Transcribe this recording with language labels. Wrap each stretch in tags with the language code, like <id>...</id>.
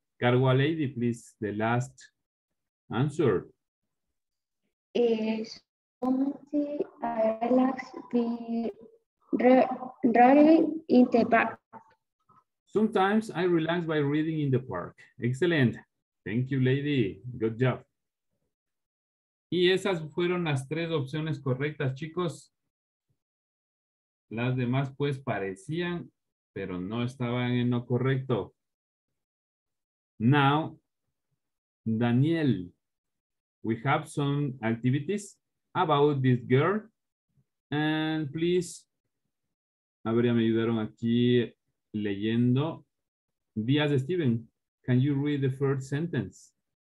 <en>Cargo a Lady, please, the last answer. Is only I relax riding in the park. Sometimes I relax by reading in the park. Excellent. Thank you, Lady. Good job.</en> <es>Y esas fueron las tres opciones correctas, chicos. Las demás, pues, parecían, pero no estaban en lo correcto.</es> <en>Now, Daniel, we have some activities about this girl. And please</en> <es>A ver, ya me ayudaron aquí leyendo. Díaz de Steven,</es> <en>can you read the first sentence?</en>